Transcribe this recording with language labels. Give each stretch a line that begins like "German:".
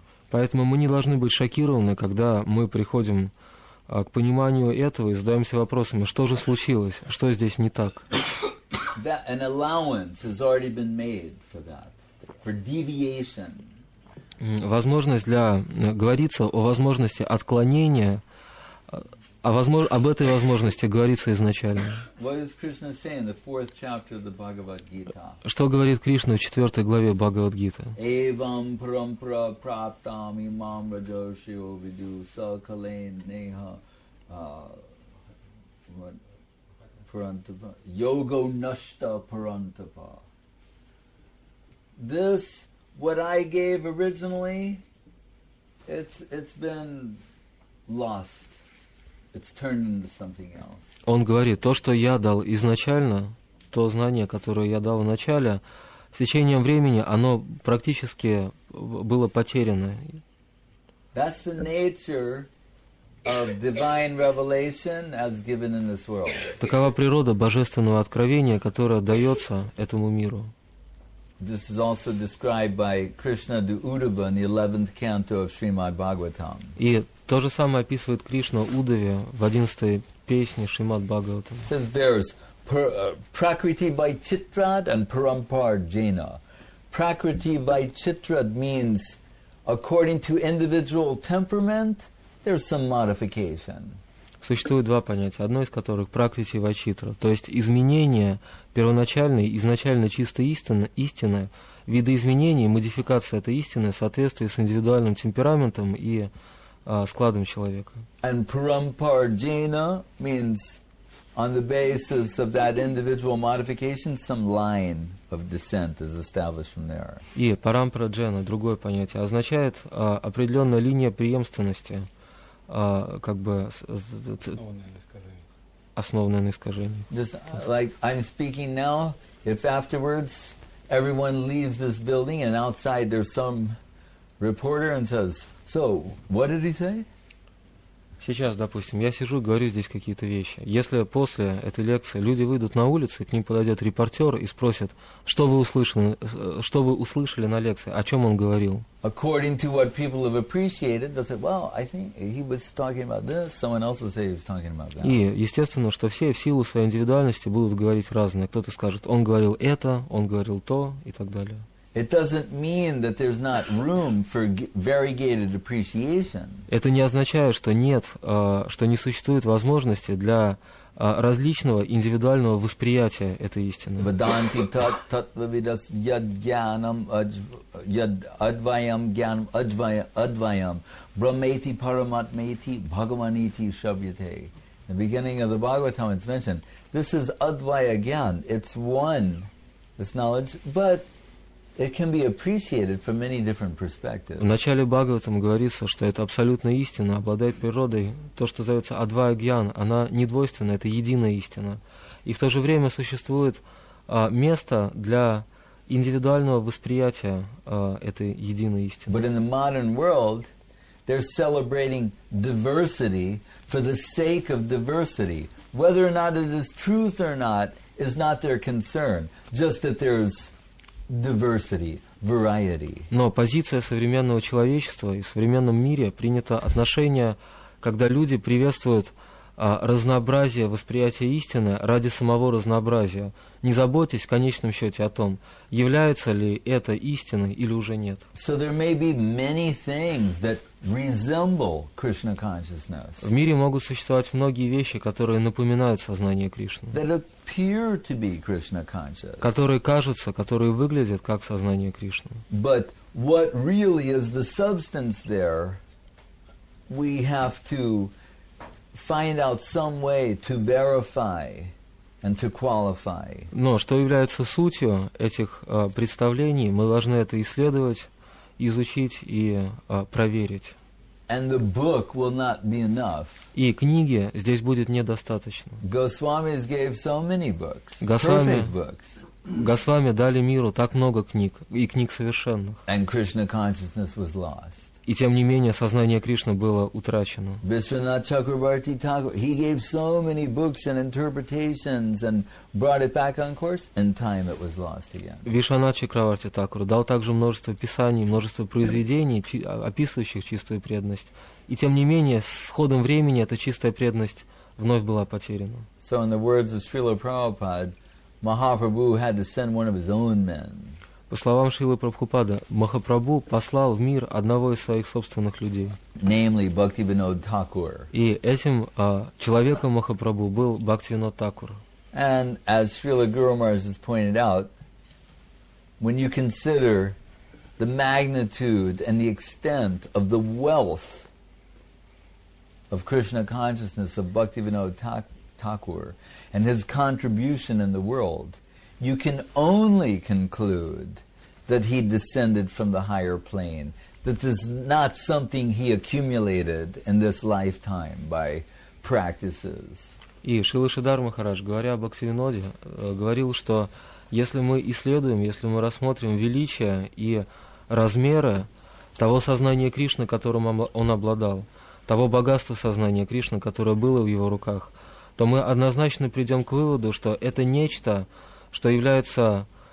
Russian: Поэтому мы не должны быть шокированы, когда мы приходим к пониманию этого и задаемся вопросами, что же случилось, что здесь не так.
English: An allowance has already been made for that. For deviation.
Russian: Возможность для говорится о возможности отклонения, об этой возможности говорится изначально.
English: What does Krishna say in the fourth chapter of the Bhagavad Gita?
Russian: Что говорит Кришна в четвертой главе Бхагавад Гиты?
Sanskrit: Evam prampra praptam imam rajoshi ovidu sakalen neha parantapa yogo nashta parantapa.
English: This, what I gave originally, it's been lost. It's turned into something else.
Russian: Он говорит, то, что я дал изначально, то знание, которое я дал вначале, с течением времени оно практически было потеряно.
English: That's the nature of divine revelation as given in this world.
Russian: Такова природа божественного откровения, которое дается этому миру.
English: This is also described by Krishna to Uddhava in the 11th canto of Srimad Bhagavatam.
Russian: И то же самое описывает Кришна Удаве в 11-й песне Шримад Бхагаватам.
English: Says there's prakriti by chitrad and parampar jena. Prakriti by chitrad means according to individual temperament, there's some modification.
Russian: Существует два понятия, одно из которых пракрити вачитра, то есть изменение первоначальной, изначально чистой истины, видоизменение, модификация этой истины в соответствии с индивидуальным темпераментом и складом человека.
English: And parampar jena means on the basis of that individual modification, some line of descent is established from there.
Russian: И парампара джена, другое понятие, означает определенная линия преемственности. Как бы основанное на искажении.
English: Just like I'm speaking now, if afterwards everyone leaves this building and outside there's some reporter and says, so, what did he say?
Russian: Сейчас, допустим, я сижу и говорю здесь какие-то вещи. Если после этой лекции люди выйдут на улицу, и к ним подойдет репортер и спросит, что вы услышали на лекции, о чем он говорил.
English: According to what people have appreciated, they'll say, well, I think he was talking about this, someone else will say he was talking about that.
Russian: И естественно, что все в силу своей индивидуальности будут говорить разное. Кто-то скажет, он говорил это, он говорил то и так далее.
English: It doesn't mean that there's not room for variegated appreciation.
Russian: Это не означает, что нет, что не существует возможности для различного индивидуального восприятия этой истины.
Sanskrit: Vedanti tattvavidas yadgyanam yadadvayam gyanam advayam brahmeti paramatmeti bhagavaniti shravyate.
English: In the beginning of the Bhagavatam it's mentioned, this is advaya gyan, it's one, this knowledge, but it can be appreciated from many different perspectives.
Russian: В начале Бхагаватам говорится, что это абсолютная истина, обладает природой. То, что называется Адвая Гьян, она недвойственна, это единая истина. И в то же время существует место для индивидуального восприятия этой единой истины.
English: But in the modern world, they're celebrating diversity for the sake of diversity. Whether or not it is truth or not is not their concern. Just that there's diversity, variety.
Russian: Но позиция современного человечества и в современном мире принято отношение, когда люди приветствуют разнообразие восприятия истины ради самого разнообразия, не заботясь в конечном счете о том, является ли это истиной или уже нет.
English: So there may be many things that resemble Krishna consciousness.
Russian: В мире могут существовать многие вещи, которые напоминают сознание Кришны.
English: That appear to be Krishna consciousness.
Russian: Которые кажутся, которые выглядят как сознание Кришны.
English: But what really is the substance there, we have to find out some way to verify and to qualify.
Russian: Но что является сутью этих представлений, мы должны это исследовать, изучить и проверить.
English: And the book will not be enough.
Russian: И книги здесь будет недостаточно.
English: Goswamis gave so many books, perfect books.
Russian: Госвами дали миру так много книг и книг совершенных.
English: And Krishna consciousness was lost.
Russian: И тем не менее сознание Кришны было утрачено.
English: Vishwanath Chakravarti Thakur, he gave so many books and interpretations and brought it back on course, and time it was lost again.
Russian: Вишванат Чакраварти Такур дал также множество писаний, множество произведений, описывающих чистую преданность. И тем не менее, с ходом времени эта чистая преданность вновь была потеряна.
English: So in the words of Srila Prabhupada, Mahaprabhu had to send one of his own men.
Russian: По словам Шрилы Прабхупады, Махапрабху послал в мир одного из своих собственных людей.
English: Namely, Bhaktivinoda Thakur.
Russian: И этим человеком Махапрабху был Бхактивинода Такур.
English: And as Srila Guru Maharaj has pointed out, when you consider the magnitude and the extent of the wealth of Krishna consciousness of Bhaktivinoda Thakur and his contribution in the world, you can only conclude that he descended from the higher plane, that this is not something he accumulated in this lifetime by practices.
Russian: И Шрила Шридхар Махарадж, говоря об Бхактивиноде, говорил, что если мы исследуем, если мы рассмотрим величие и размеры того сознания Кришны, которым он обладал, того богатства сознания Кришны, которое было в его руках, то мы однозначно придем к выводу, что это нечто, что является